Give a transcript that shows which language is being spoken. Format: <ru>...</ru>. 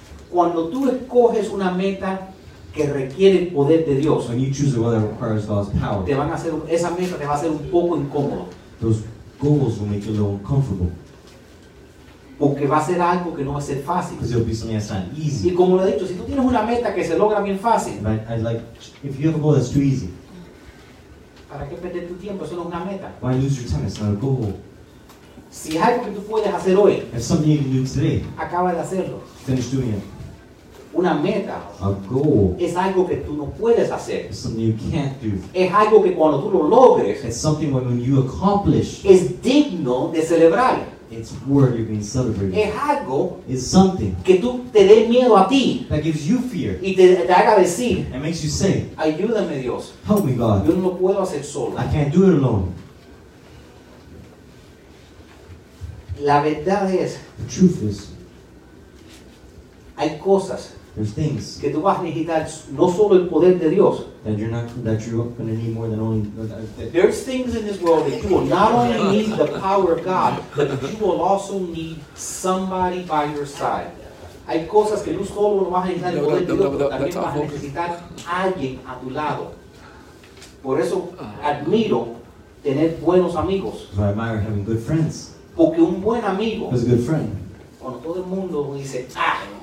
<es>Cuando tú escoges una meta que requiere el poder de Dios,</es> <en>when you choose a goal that requires God's power,</en> <es>te van a hacer, esa meta te va a hacer un poco incómodo.</es> <en>Those goals will make you a little uncomfortable.</en> <es>Porque va a ser algo que no va a ser fácil.</es> <en>Because it'll be something that's not easy.</en> <es>Y como lo he dicho, si tú tienes una meta que se logra bien fácil,</es> <en>if you have a goal that's too easy,</en> <es>¿para qué perder tu tiempo? Eso no es una meta.</es> <en>Why lose your time? It's not a goal.</en> <es>Si es algo que tú puedes hacer hoy,</es> <en>if something you can do today,</en> <es>acaba de hacerlo.</es> <en>Finish doing it.</en> <es>Una meta,</es> <en>a goal,</en> <es>es algo que tú no puedes hacer.</es> <en>It's something you can't do.</en> <es>Es algo que cuando tú lo logres,</es> <en>it's something when you accomplish,</en> <es>es digno de celebrar.</es> <en>It's worthy of being celebrated.</en> <es>Es algo,</es> <en>it's something</en> <es>que tú te dé miedo a ti,</es> <en>that gives you fear,</en> <es>y te haga decir,</es> <en>and makes you say,</en> <es>ayúdame Dios,</es> <en>help me God,</en> <es>yo no lo puedo hacer solo.</es> <en>I can't do it alone.</en> <es>La verdad es,</es> <en>the truth is,</en> <es>hay cosas,</es> <en>there's things,</en> <es>que tú vas a necesitar no solo el poder de Dios,</es> <en>that you're going to need more than only that. There's things in this world that you will not only need the power of God, but you will also need somebody by your side.</en> <es>Hay cosas que tú solo no vas a necesitar el poder de Dios, pero también vas a necesitar alguien a tu lado. Por eso admiro tener buenos amigos.</es> <en>So I admire having good friends.</en> <es>Porque un buen amigo,</es> <en>a good friend,</en> <es>cuando todo el mundo dice, ah,</es>